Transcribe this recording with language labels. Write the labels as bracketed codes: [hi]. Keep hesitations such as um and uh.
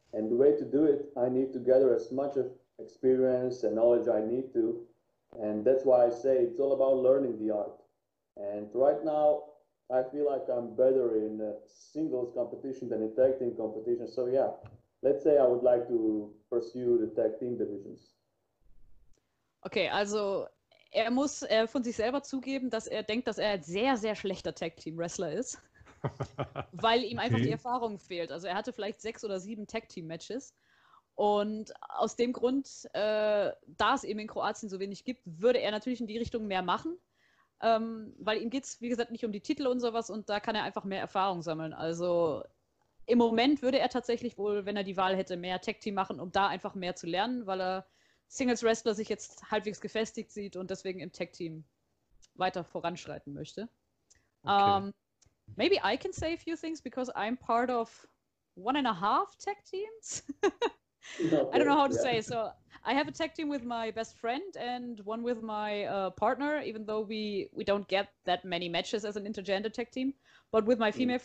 [en] And the way to do it, I need to gather as much of experience and knowledge I need to. And that's why I say it's all about learning the art. And right now, I feel like I'm better in singles competition than in tag team competition. So yeah, let's say I would like to pursue the tag team divisions. [de] Okay, also er muss äh, er von sich selber zugeben, dass er denkt, dass er sehr, sehr schlechter Tag Team Wrestler ist. weil ihm einfach okay. die Erfahrung fehlt. Also er hatte vielleicht sechs oder sieben Tag-Team-Matches. Und aus dem Grund, äh, da es eben in Kroatien so wenig gibt, würde er natürlich in die Richtung mehr machen. Ähm, weil ihm geht es, wie gesagt, nicht um die Titel und sowas und da kann er einfach mehr Erfahrung sammeln. Also im Moment würde er tatsächlich wohl, wenn er die Wahl hätte, mehr Tag-Team machen, um da einfach mehr zu lernen, weil er Singles-Wrestler sich jetzt halbwegs gefestigt sieht und deswegen im Tag-Team weiter voranschreiten möchte. Okay. [en] Ähm, maybe I can say a few things because I'm part of one and a half tech teams. I don't know how to yeah. say. So I have a tech team with my best friend and one with my uh, partner. Even though we we don't get that many matches as an intergender tech team, but with my female yeah.